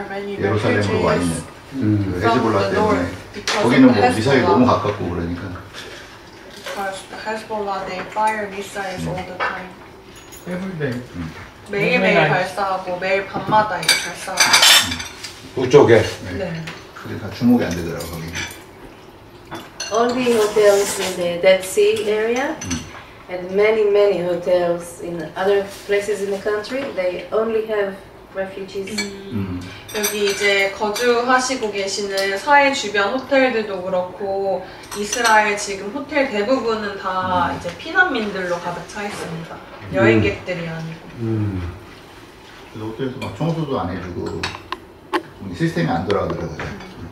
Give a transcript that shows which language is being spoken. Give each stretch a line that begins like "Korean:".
Korean: 예루살렘으로 와 있는 그 헤즈볼라 때문에 거기는 뭐 미사일 너무 가깝고 그러니까.
English: Hezbollah, they fire missiles all the time. Every day.
Korean: 매일 발사하고 매일 밤마다 발사. 북쪽에. 네. 그러니까 주목이 안 되더라고 거기.
English: Only hotels in the Dead Sea area and many hotels in other places in the country, they only have refugees.
Korean: 여기 이제 거주하시고 계시는 사해 주변 호텔들도 그렇고 이스라엘 지금 호텔 대부분은 다 이제 피난민들로 가득 차 있습니다. 여행객들이 아니고. 그래서 호텔에서 막 청소도 안 해주고 시스템이 안 돌아가더라고요.